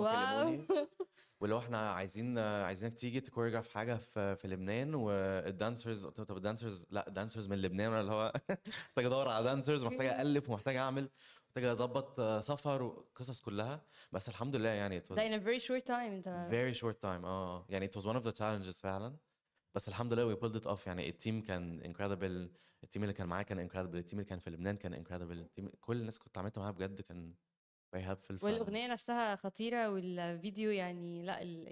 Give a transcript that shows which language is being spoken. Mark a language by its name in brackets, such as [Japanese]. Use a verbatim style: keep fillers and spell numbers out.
[Arabic] واو كلموني واللي هو إحنا عايزين عايزينك تيجي تكوريجراف حاجة في في لبنان، والدانسرز. قلت لهم طب الدانسرز؟ لا دانسرز من لبنان، وأنا اللي هو محتاج أدور على دانسرز، محتاج اوكي ألف، ومحتاج أعمل، محتاج أظبط آه، سفر وقصص كلها. بس الحمد لله يعني [English] it [Arabic] ده [English] in was a very short time [Arabic] انت. [English] very short time. [Arabic] اه يعني [English] it was one of the challenges [Arabic] فعلا، بس الحمد لله [English] we pulled it off. [Arabic] يعني التيم كان incredible، التيم اللي كان معايا كان incredible، التيم اللي كان في لبنان كان incredible، التيم كل الناس كنت عملت معاها بجد كان [English] very helpful. [Arabic] ف والاغنيه نفسها خطيره، والفيديو يعني لا ال...